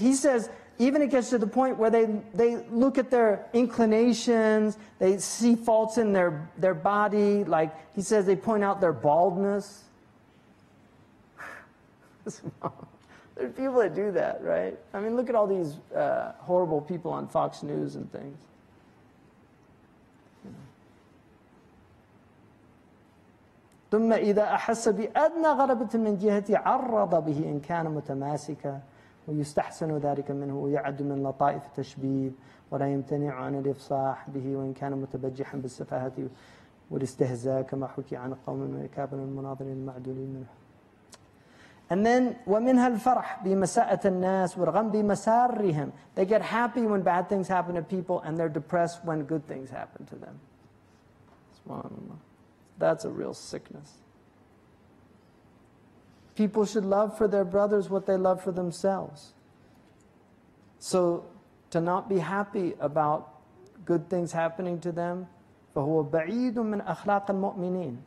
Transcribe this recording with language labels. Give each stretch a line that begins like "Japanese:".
English: He says, even it gets to the point where they look at their inclinations, they see faults in their body, like he says, they point out their baldness. There are people that do that, right? I mean, look at all these horrible people on Fox News and things.
Arabic: ثم إذا أحس بأدنى غلبة من جهتي عرض به إن كان متماسكا ويستحسن ذلك منه ويعد من لطائف التشبيب ولا يمتنع عن الإفصاح به وإن كان متبجحا بالسفاهة والاستهزاء كما حكي عن قوم من الكابر المناظرين المعدولين منه.
English: And then
Arabic: ومنها الفرح بمساءة الناس ورغم بمسارهم.
English: They get happy when bad things happen to people and they're depressed when good things happen to them. SubhanAllah. That's a real sickness. People should love for their brothers what they love for themselves. So to not be happy about good things happening to them,
Arabic: فَهُوَ بَعِيدٌ مِّنْ أَخْلَاقِ الْمُؤْمِنِينَ.